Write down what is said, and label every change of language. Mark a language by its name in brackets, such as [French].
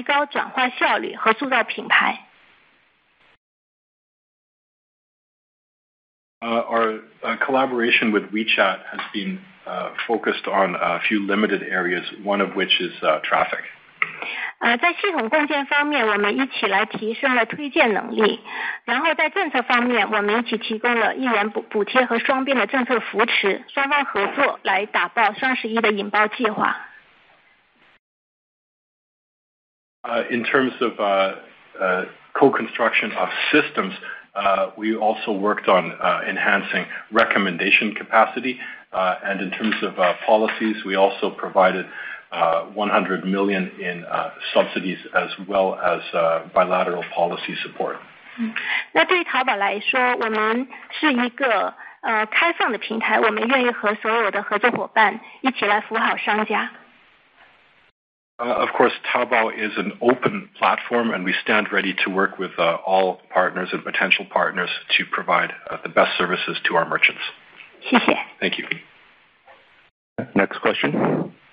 [Chinese] 这次双方的合作主要是聚焦于双方升级三大引擎，一个是在流量拓展方面，把握视频号的流量，提高转化效率和塑造品牌。 [English] Collaboration with WeChat has been focused on a few limited areas, one of which is traffic. [Chinese] 在系统共建方面，我们一起来提升了推荐能力，然后在政策方面，我们一起提供了一元补贴和双边的政策扶持，双方合作来打爆双十一的引爆计划。 [English] In terms of co-construction of systems, we also worked on enhancing recommendation capacity. And in terms of policies, we also provided 100 million in subsidies as well as bilateral policy support. [Chinese] 那对于淘宝来说，我们是一个开放的平台，我们愿意和所有的合作伙伴一起来服务好商家。 [English] Of course, Taobao is an open platform, and we stand ready to work with all partners and potential partners to provide the best services to our merchants. [Chinese] 谢谢。 [English] Thank you. Next question.